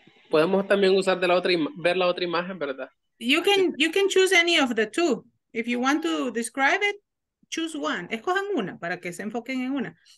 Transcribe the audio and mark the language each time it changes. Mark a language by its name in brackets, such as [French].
[Spanish] Podemos también usar de la otra ver la otra imagen, ¿verdad? [English] You can choose any of the two. If you want to describe it, choose one. [Spanish] Escojan una para que se enfoquen en una.